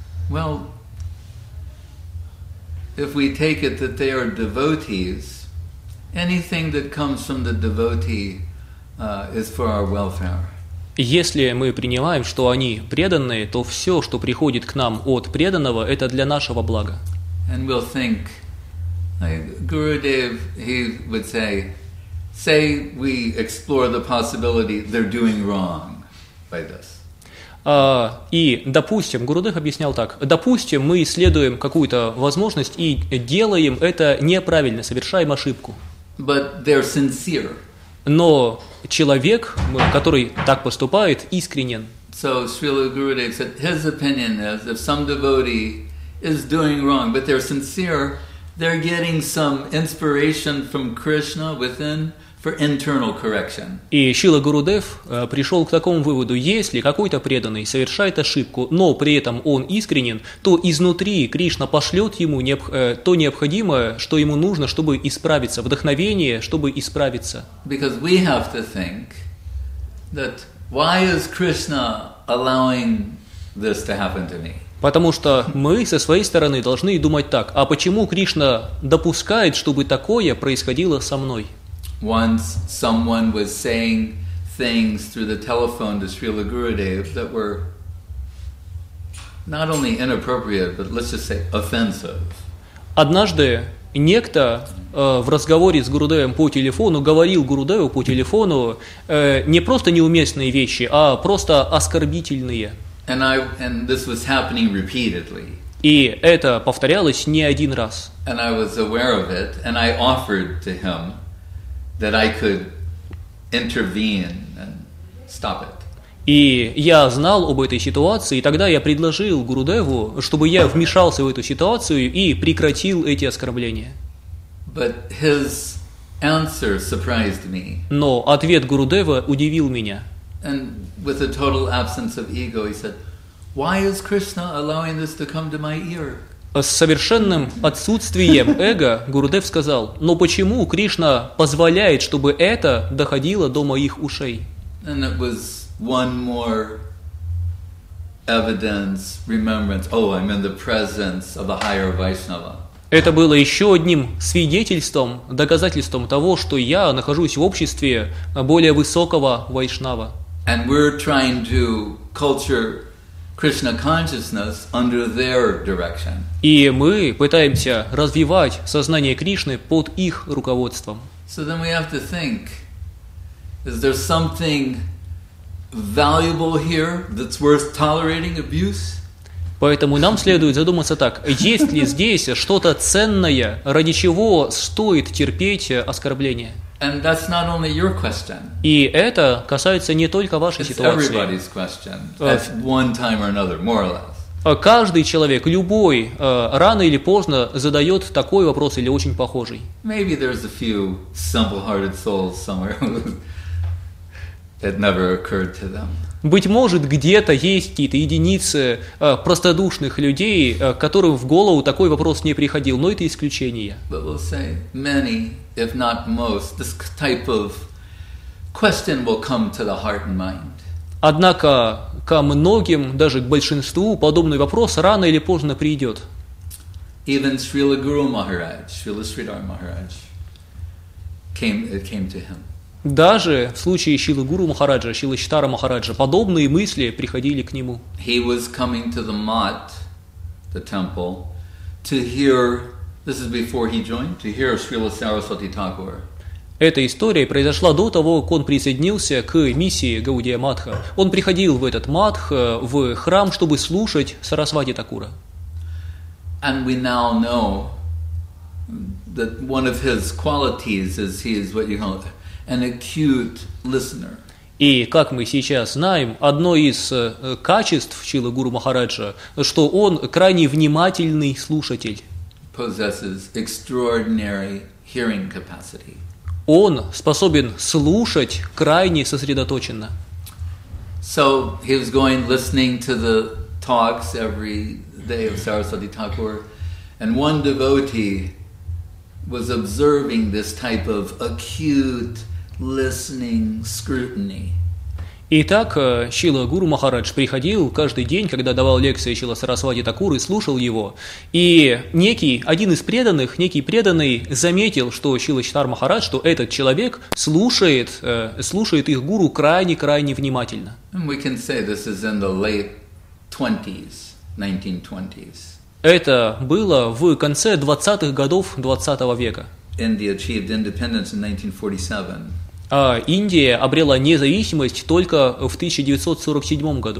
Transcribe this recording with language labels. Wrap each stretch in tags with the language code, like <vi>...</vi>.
<en>Well, if we take it that they are devotees, anything that comes from the devotee is for our welfare.</en> <ru>Если мы принимаем, что они преданные, то все, что приходит к нам от преданного, это для нашего блага.</ru> <en>And we'll think, Gurudev, he would say, say we explore the possibility they're doing wrong by this.</en> <ru>И, допустим, Гурудев объяснял так, допустим, мы исследуем какую-то возможность и делаем это неправильно, совершаем ошибку.</ru> <en>But they're sincere.</en> <ru>Но человек, который так поступает, искренен.</ru> <en>So Srila Gurudev said, his opinion is, if some devotee is doing wrong, but they're sincere, they're getting some inspiration from Krishna within for internal correction.</en> <ru>И Шрила Гурудев пришел к такому выводу, если какой-то преданный совершает ошибку, но при этом он искренен, то изнутри Кришна пошлет ему то необходимое, что ему нужно, чтобы исправиться, вдохновение, чтобы исправиться.</ru> <en>Because we have to think that why is Krishna allowing this to happen to me?</en> <ru>Потому что мы со своей стороны должны думать так, а почему Кришна допускает, чтобы такое происходило со мной?</ru> <en>Once someone was saying things through the telephone to Srila Gurudev that were not only inappropriate, but let's just say offensive.</en> <ru>Однажды некто в разговоре с Гурудевом по телефону говорил Гурудеву по телефону не просто неуместные вещи, а просто оскорбительные.</ru> <en>And this was happening repeatedly.</en> <ru>И это повторялось не один раз.</ru> <en>And I was aware of it, and I offered to him that I could intervene and stop it.</en> <ru>И я знал об этой ситуации, и тогда я предложил Гурудеву, чтобы я вмешался в эту ситуацию и прекратил эти оскорбления.</ru> <en>But his answer surprised me.</en> <ru>Но ответ Гурудева удивил меня.</ru> <en>And with a total absence of ego, he said, "Why is Krishna allowing this to come to my ear?"</en> <ru>С совершенным отсутствием эго Гурудев сказал, но почему Кришна позволяет, чтобы это доходило до моих ушей?</ru> <en>And it was one more evidence, remembrance. Oh, I'm in the presence of a higher Vaishnava.</en> <ru>Это было еще одним свидетельством, доказательством того, что я нахожусь в обществе более высокого Вайшнава.</ru> <en>And we're trying to culture Krishna consciousness under their direction.</en> <ru>И мы пытаемся развивать сознание Кришны под их руководством.</ru> <en>So then we have to think, is there something valuable here that's worth tolerating abuse?</en> <ru>Поэтому нам следует задуматься так, есть ли здесь что-то ценное, ради чего стоит терпеть оскорбление?</ru> <en>And that's not only your question.</en> <ru>И это касается не только вашей</ru> <en>It's</en> <ru>ситуации.</ru> <en>It's everybody's question at one time or another, more or less.</en> <ru>Каждый человек, любой, рано или поздно задает такой вопрос или очень похожий.</ru> <en>Maybe there's a few simple-hearted souls somewhere that never occurred to them.</en> <ru>Быть может, где-то есть какие-то единицы простодушных людей, которым в голову такой вопрос не приходил, но это исключение.</ru> <en>But we'll say many, if not most, this type of question will come to the heart and mind.</en> <ru>Однако ко многим, даже к большинству, подобный вопрос рано или поздно придет.</ru> <en>Even Srila Guru Maharaj, Srila Sridhar Maharaj, it came to him.</en> <ru>Даже в случае Шрилы Гуру Махараджа, Шрилы Читара Махараджа, подобные мысли приходили к нему.</ru> <en>He was coming to the mat, the temple, to hear, this is before he joined, to hear Srila Saraswati Thakur.</en> <ru>Эта история произошла до того, как он присоединился к миссии Гаудия Матха. Он приходил в этот матх, в храм, чтобы слушать Сарасвати Такура.</ru> <en>And we now know that one of his qualities is he is what you call an acute listener.</en> <ru>И, как мы сейчас знаем, одно из качеств Шрилы Гуру Махараджа, что он крайне внимательный слушатель.</ru> <en>Possesses extraordinary hearing capacity.</en> <ru>Он способен слушать крайне сосредоточенно.</ru> <en>So he was going listening to the talks every day of Saraswati Thakur, and one devotee was observing this type of acute listening scrutiny.</en> <ru>Итак, Шрила Гуру Махарадж приходил каждый день, когда давал лекции Шрила Сарасвати Такур, и слушал его. И один из преданных, заметил, что Шрила Читар Махарадж, что этот человек слушает их гуру крайне-крайне внимательно.</ru> <en>We can say this is in the late 20s, 1920s.</en> <ru>Это было в конце 20-х годов 20 века.</ru> <en>India achieved independence in 1947.</en> <ru>Индия обрела независимость только в 1947 году.</ru>